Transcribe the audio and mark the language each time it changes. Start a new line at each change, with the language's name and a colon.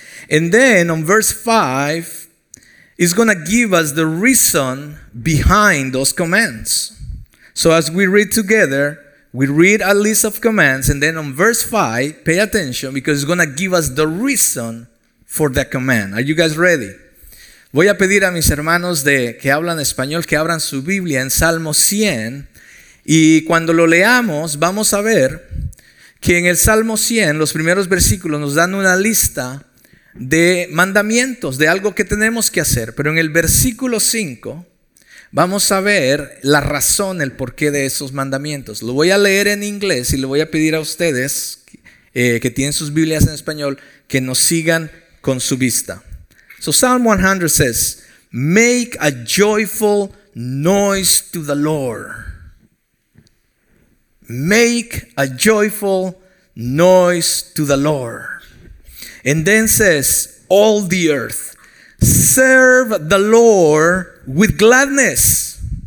English: And then on verse 5, it's going to give us the reason behind those commands. So as we read together, we read a list of commands. And then on verse 5, pay attention because it's going to give us the reason for the command. Are you guys ready?
Spanish: Voy a pedir a mis hermanos de que hablan español que abran su Biblia en Salmo 100. Y cuando lo leamos, vamos a ver que en el Salmo 100, los primeros versículos nos dan una lista de mandamientos, de algo que tenemos que hacer. Pero en el versículo 5, vamos a ver la razón, el porqué de esos mandamientos. Lo voy a leer en inglés y le voy a pedir a ustedes que tienen sus Biblias en español que nos sigan con su vista.
English: So Psalm 100 says, make a joyful noise to the Lord. Make a joyful noise to the Lord. And then says, all the earth, serve the Lord with gladness.